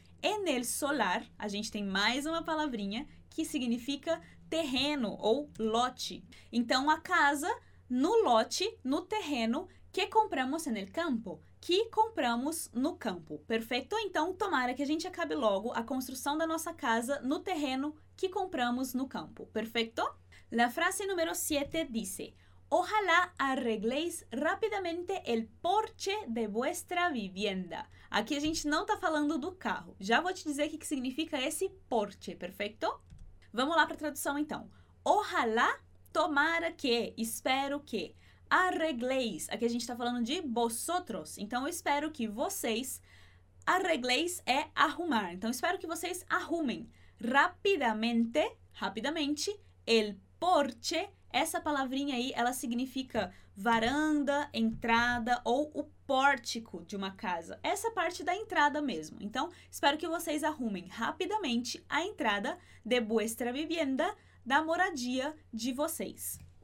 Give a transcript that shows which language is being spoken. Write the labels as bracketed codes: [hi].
[es] En el solar, [pt] a gente tem mais uma palavrinha que significa terreno ou lote. Então, a casa no lote, no terreno, [es] que compramos en el campo, [pt] que compramos no campo, perfeito? Então, tomara que a gente acabe logo a construção da nossa casa no terreno que compramos no campo, perfeito? [es] La frase número 7 dice: ojalá arregleis rapidamente el porche de vuestra vivienda. [pt] Aqui a gente não está falando do carro. Já vou te dizer o que significa esse porche, perfeito? Vamos lá para a tradução, então. Ojalá, tomara que, espero que. Arregleis, aqui a gente está falando de vosotros, então eu espero que vocês, arregleis é arrumar, então espero que vocês arrumem rapidamente, rapidamente, el porche, essa palavrinha aí, ela significa varanda, entrada ou o pórtico de uma casa, essa parte da entrada mesmo, então espero que vocês arrumem rapidamente a entrada [es] de vuestra vivienda, [pt] da moradia de vocês.